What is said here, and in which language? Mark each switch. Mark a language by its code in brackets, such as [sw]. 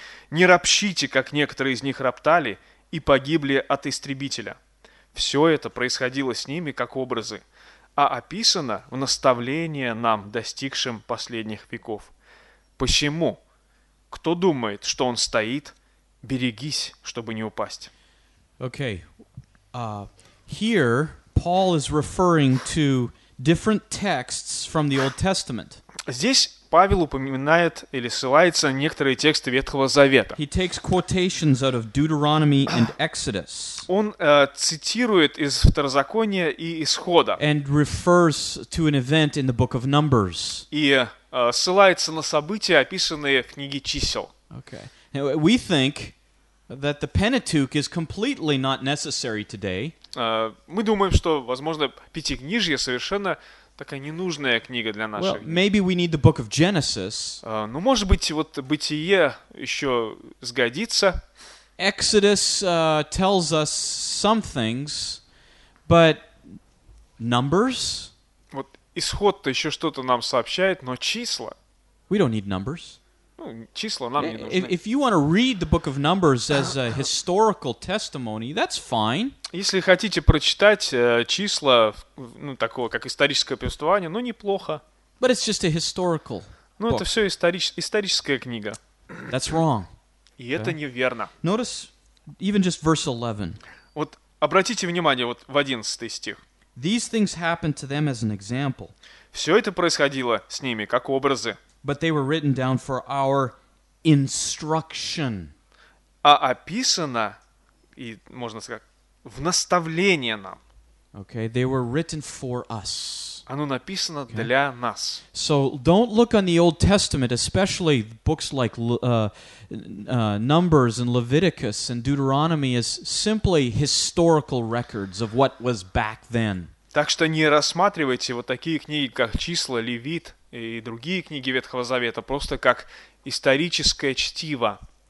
[ru] Не ропщите, как некоторые из них роптали и погибли от истребителя. Все это происходило с ними как образы, а описано в наставлении нам, достигшим последних веков. Посему, кто думает, что он стоит, берегись, чтобы не упасть. [en] Okay. Here Paul is referring to different texts from the Old Testament. [ru] Здесь Павел упоминает или ссылается на некоторые тексты Ветхого Завета. [en] He takes quotations out of Deuteronomy and Exodus. [ru] Он цитирует из Второзакония и Исхода. [en] And refers to an event in the book of Numbers. [ru] И ссылается на события, описанные в книге чисел. [en] Okay. Now, we think that the Pentateuch is completely not necessary today. [ru] Мы думаем, что, возможно, Пятикнижие совершенно такая ненужная книга для наших. [en] Well, maybe we need the book of Genesis. [ru] Ну, может быть, вот Бытие еще сгодится. [en] Exodus tells us some things, but Numbers? [ru] Вот Исход-то еще что-то нам сообщает, но числа? [en] We don't need Numbers. [ru] Ну, числа нам не нужны. [en] If you want to read the book of Numbers as a historical testimony, that's fine. [ru] Если хотите прочитать числа, ну, такого, как историческое повествование, ну, неплохо. [en] But it's just a historical book. [ru] Ну, это все историческая книга. [en] That's wrong. [ru] И okay. Это неверно. [en] Notice even just verse 11. [ru] Вот обратите внимание вот в 11 стих. [en] These things happened to them as an example. [ru] Все это происходило с ними как образы. [en] But they were written down for our instruction. [ru] А описано, и можно сказать, в наставление нам. [en] Okay, they were written for us. [ru] Оно написано okay. Для нас. [en] So don't look on the Old Testament, especially books like Numbers and Leviticus and Deuteronomy, as simply historical records of what was back then. [ru] Так что не рассматривайте вот такие книги, как Числа, Левит, и другие книги Ветхого Завета просто как историческое чтиво.